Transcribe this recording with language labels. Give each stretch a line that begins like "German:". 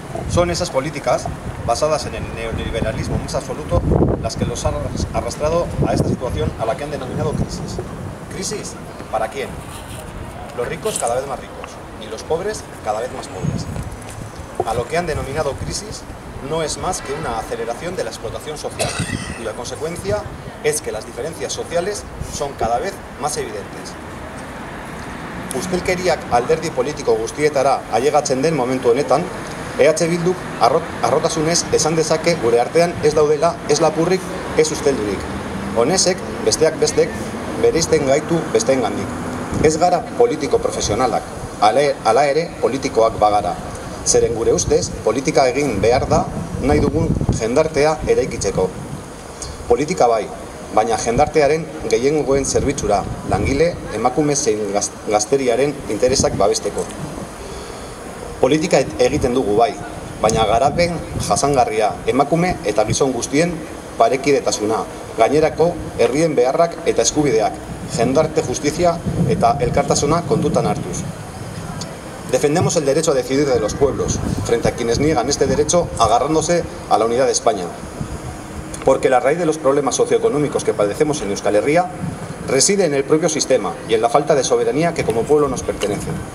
Spanish: Son esas políticas, basadas en el neoliberalismo más absoluto, las que los han arrastrado a esta situación a la que han denominado crisis. ¿Crisis? ¿Para quién? Los ricos cada vez más ricos y los pobres cada vez más pobres. A lo que han denominado crisis no es más que una aceleración de la explotación social y la consecuencia es que las diferencias sociales son cada vez más evidentes.
Basque: Ustelkeriak alderdi politiko guztietara ailegatzen den momentu honetan, EH Bilduk arrotasunez esan dezake gure artean ez daudela ez lapurrik ez usteldurik. Honezek, besteak bestek, bereizten gaitu besteen gandik. Ez gara politiko profesionalak, ala ere politikoak bagara. Zeren gure ustez, politika egin behar da nahi dugun jendartea eraikitzeko. Politika bai, baina jendartearen gehiengoen zerbitzura, langile, emakume zein gazteriaren interesak babesteko. Politika egiten dugu bai, baina garapen jasangarria, emakume eta gizon guztien parekidetasuna, gainerako herrien beharrak eta eskubideak, jendarte justizia eta elkartasuna kontutan hartuz.
Spanish: Defendemos el derecho a decidir de los pueblos, frente a quienes niegan este derecho agarrándose a la unidad de España. Porque la raíz de los problemas socioeconómicos que padecemos en Euskal Herria reside en el propio sistema y en la falta de soberanía que como pueblo nos pertenece.